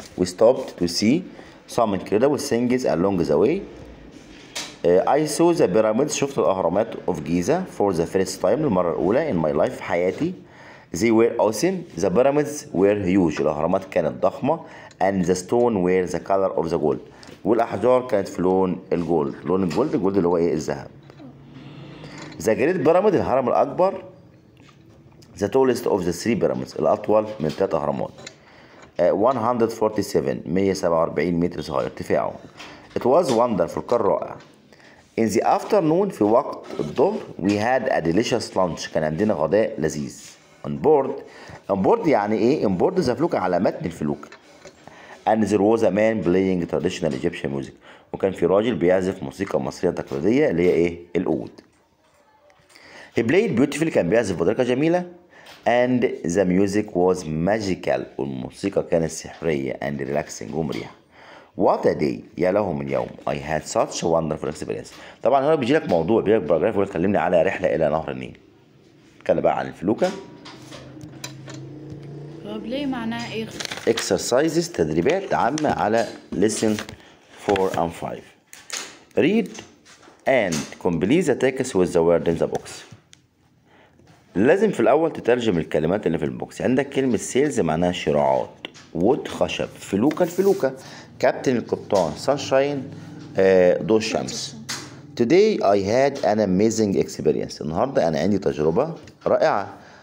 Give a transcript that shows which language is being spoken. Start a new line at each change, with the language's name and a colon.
English: We stopped to see some incredible things along the way. I saw the pyramids.
Arabic: شفت الأهرامات
English: of Giza for the first time.
Arabic: المرة الأولى
English: in my life.
Arabic: في حياتي.
English: They were awesome. The pyramids were huge.
Arabic: الأهرامات كانت ضخمة.
English: And the stone were the color of the gold.
Arabic: والأحجار كانت في لون الجولد، لون الجولد، الجولد اللي هو إيه؟ الذهب.
English: The great pyramid
Arabic: الهرم الأكبر،
English: the tallest of the three pyramids
Arabic: الأطول من ثلاث أهرامات، 147 متر صغير ارتفاعه.
English: It was wonderful
Arabic: كان رائع.
English: In the afternoon
Arabic: في وقت الظهر
English: we had a delicious lunch
Arabic: كان عندنا غداء لذيذ.
English: On board
Arabic: يعني إيه؟
English: On board the
Arabic: فلوكة على متن الفلوكة.
English: And there was a man playing traditional Egyptian music.
Arabic: وكان في راجل بيعزف موسيقى مصرية تقليدية اللي هي ايه؟ الأود.
English: He played beautifully.
Arabic: كان بيعزف بطريقة جميلة.
English: And the music was magical.
Arabic: والموسيقى كانت سحرية
English: and relaxing
Arabic: ومريحة.
English: What a day.
Arabic: يا له من يوم.
English: I had such a wonderful experience.
Arabic: طبعا هنا بيجي لك موضوع بيجي لك باراجراف يقول لك كلمني على رحلة إلى نهر النيل. نتكلم بقى عن الفلوكة. طب ليه معناها إيه؟ Exercises تدريبات عامة على
English: listen 4 and 5. Read and complete the text with the word in the box.
Arabic: لازم في الأول تترجم الكلمات اللي في البوكس. عندك كلمة سيلز معناها شراعات. وود خشب. فلوكة الفلوكة. كابتن القبطان. سانشاين ضوء الشمس.
English: Today I had an amazing experience.
Arabic: النهاردة أنا عندي تجربة رائعة.